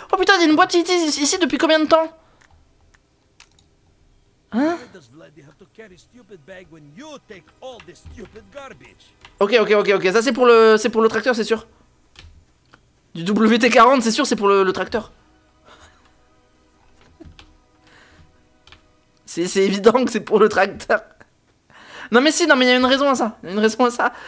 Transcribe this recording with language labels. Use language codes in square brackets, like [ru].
[fr] Oh putain, il y a une boîte à outils ici depuis combien de temps? Hein? [en] Why does Vladdy have to carry stupid bag when you take all this stupid garbage? [fr] Ok, ça c'est pour le tracteur, c'est sûr. Du WT-40, c'est sûr, c'est pour le tracteur. C'est évident que c'est pour le tracteur. Non mais si, non mais il y a une raison à ça. Il y a une raison à ça.